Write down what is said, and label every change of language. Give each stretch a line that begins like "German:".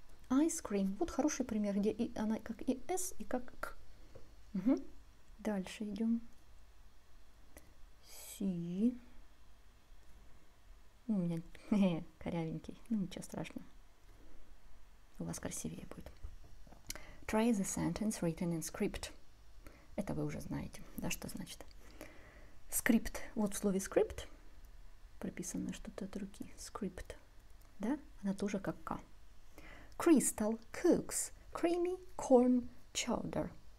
English: Ice cream.
Russian: Вот хороший пример, где и она как и S, и как К. Угу. Дальше идем. C. У меня корявенький, ну ничего страшного. У вас красивее будет.
English: Try the sentence written in script.
Russian: Это вы уже знаете, да, что значит. Скрипт. Вот в слове скрипт прописано что-то от руки. Скрипт. Да? Она тоже как К.
English: Crystal cooks creamy corn chowder.